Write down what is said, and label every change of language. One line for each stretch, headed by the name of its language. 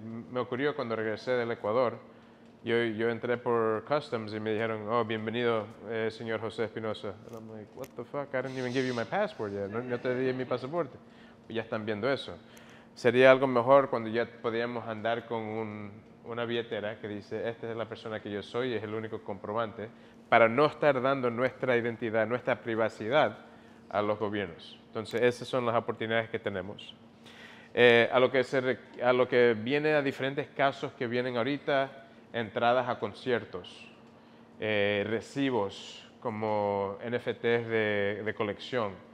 Spanish: Me ocurrió cuando regresé del Ecuador. Yo entré por Customs y me dijeron, oh, bienvenido, señor José Espinosa.
English: And I'm like, what the fuck? I didn't even give you my passport yet.
Spanish: No te di mi pasaporte. Ya están viendo eso. Sería algo mejor cuando ya podíamos andar con una billetera que dice, esta es la persona que yo soy y es el único comprobante, para no estar dando nuestra identidad, nuestra privacidad a los gobiernos. Entonces, esas son las oportunidades que tenemos. A lo que viene a diferentes casos que vienen ahorita, entradas a conciertos, recibos como NFTs de colección.